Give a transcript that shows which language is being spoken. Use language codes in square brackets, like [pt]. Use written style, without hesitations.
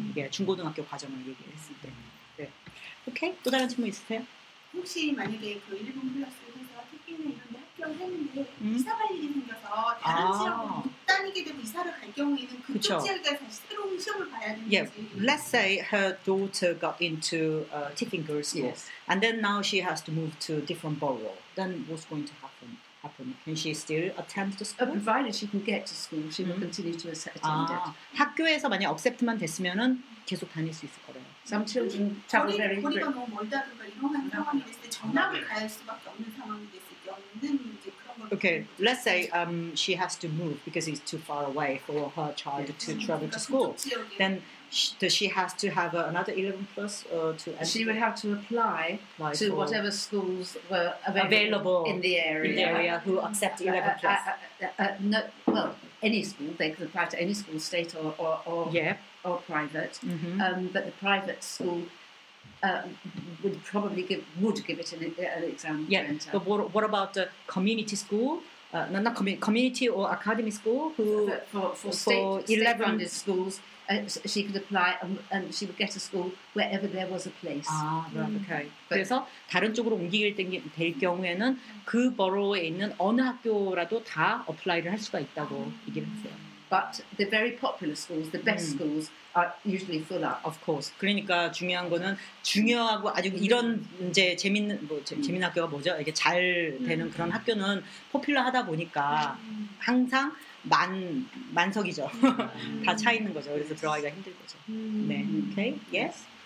[ko] 이게 중고등학교 과정을 얘기했을 때. 네. 오케이. 또 다른 질문 있으세요? 혹시 만약에 그 일본 플러스에서 특히나 이런 데 합격을 했는데 이사 갈 일이 생겨서 다른 지역으로 못 다니게 되고 이사를 갈 경우에는 그쪽 지역에 다시 새로운 시험을 봐야 되는지. [en] Yeah. Let's say her daughter got into Tiffin Girls School yes. and then now she has to move to different borough. Then what's going to happen? Can she still attend the school? Provided she can get to school, she will continue to attend it. [ko] 학교에서 만약 accept만 됐으면은 계속 다닐 수 있을 거래요. [en] Some children travel very quickly. [ko] 거리가 너무 멀다든가 이런 상황이 됐을 때 전학을 가야 할 수밖에 없는 상황이 됐을 경우는 이제 그런 걸. [en] Okay, let's say she has to move because it's too far away for her child to travel to school. Then does she has to have another 11 plus to enter? She would have to apply like to whatever schools were available in the area. In the area who accept 11 plus. Well, any school. They could apply to any school, state or private. Mm-hmm. But the private school would give it an exam to enter. But what about the community school? Community or academy school who state-funded schools, she could apply and she would get a school wherever there was a place. Okay. But [ko] 그래서 다른 쪽으로 옮기게 될 경우에는 그 borough에 있는 어느 학교라도 다 apply를 할 수가 있다고 얘기를 했어요. [en] But the very popular schools, the best schools, are usually full up. Of course. [ko] 그러니까 중요한 거는 중요하고 아주 이런 이제 재밌는 뭐 재밌는 학교가 뭐죠? 이게 잘 되는 그런 학교는 포퓰러하다 보니까 항상 만석이죠. 다 차 있는 거죠. 그래서 들어가기가 힘들 거죠. 네. [en] Okay. Yes.